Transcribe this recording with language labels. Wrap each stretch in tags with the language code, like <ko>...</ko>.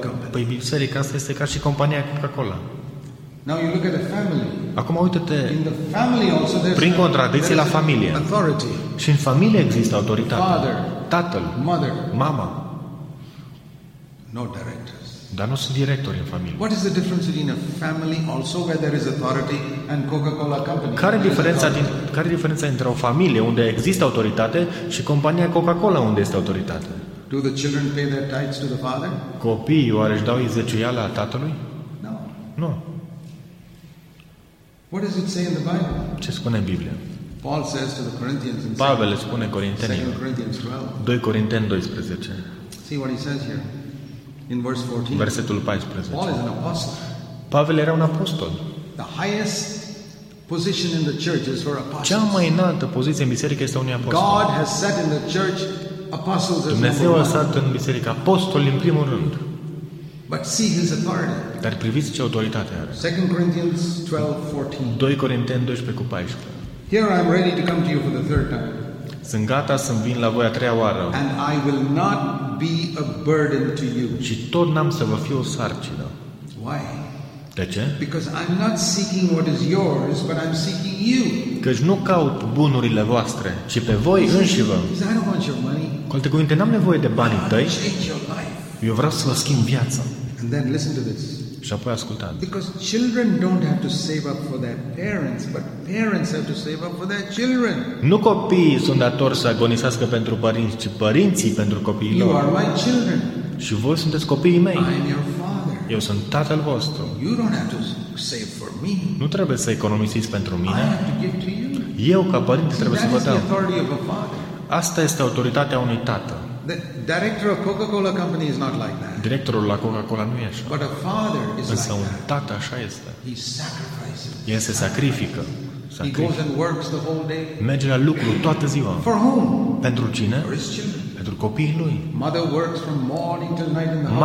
<ro>Păi biserica asta este ca și compania Coca-Cola.</ro> <en>Now you look at the family.</en> <ro>Acum uită-te.</ro> <en>In the family also there's</en> <ro>prin contradicție la familie.</ro> <en>Authority.</en> <ro>Și în familie există autoritate.</ro> <en>Father,</en> <ro>tatăl,</ro> <en>mother,</en> <ro>mama.</ro> <en>No directors.</en> <ro>Dar nu sunt directori în familie.</ro> <en>What is the difference between a family also where there is authority and Coca-Cola company?</en> <ro>Care e diferența între o familie unde există autoritate și compania Coca-Cola unde este autoritate?</ro> <en>Do the children pay their tithes to the father?</en> <ro>Copiii oare își dau zeciuiala tatălui?</ro> <en>No.</en> <ro>Nu.</ro> <en>What does it say in the Bible?</en> <ro>Ce spune în Biblie?</ro> <en>Paul says to the Corinthians in</en> <ro>Pavel spune Corintenilor.</ro> <en>2 Corinthians 12.</en> <ro>2 Corinteni 12.</ro> <en>See what he says here in verse 14.</en> <ro>Versetul 14.</ro> <en>Paul is an apostle.</en> <ro>Pavel era un apostol.</ro> <en>The highest position in the church is for apostles.</en> <ro>Cea mai înaltă poziție în biserică este a unui apostol.</ro> <en>God has set in the church apostles as number one.</en> <ro>Dumnezeu a stat în biserică apostoli în primul rând.</ro> <en>But see his authority.</en> <ro>Dar priviți ce autoritate are.</ro> <en>2 Corinthians 12:14.</en> <ro>2 Corinteni 12:14.</ro> <en>Here I'm ready to come to you for the third time.</en> <ro>Sunt gata să vin la voi a treia oară.</ro> <en>And I will not be a burden to you.</en> <ro>Și tot n-am să vă fiu o sarcină.</ro> <en>Why?</en> <ro>De ce?</ro> <en>Because I'm not seeking what is yours, but I'm seeking you.</en> <ro>Căci nu caut bunurile voastre, ci pe voi înșivă.</ro> <en>I don't want your money.</en> <ro>Cu alte cuvinte, n-am nevoie de banii tăi. Eu vreau să vă schimb viața.</ro> <en>And then listen to this.</en> <ro>Și apoi ascultați.</ro> <en>Because children don't have to save up for their parents, but parents have to save up for their children.</en> <ro>Nu copiii sunt datori să agonisească pentru părinți, ci părinții pentru copiii lor.</ro> <en>You are my children.</en> <ro>Și voi sunteți copiii mei.</ro> <en>I am your father.</en> <ro>Eu sunt tatăl vostru.</ro> <en>You don't have to save for me.</en> <ro>Nu trebuie să economisiți pentru mine.</ro> <en>I have to give to you.</en> <ro>Eu ca părinte trebuie să vă dau.</ro> <en>The authority of a father.</en> <ro>Asta este autoritatea unui tată.</ro> <en>The director of Coca-Cola company is not like that.</en> <ro>Directorul la Coca-Cola nu e așa.</ro> <en>But a father is</en> <ro>însă</ro> <en>like</en> <ro>un</ro> <en>that.</en> <ro>Tată așa este.</ro> <en>He sacrifices.</en> <ro>El se sacrifică.</ro> <en>He goes and works the whole day.</en> <ro>Merge la lucru toată ziua.</ro> <en>For whom?</en> <ro>Pentru cine?</ro> <en>For his children.</en> <ro>Pentru copiii lui.</ro> <en>Mother works from morning till night in the house.</en>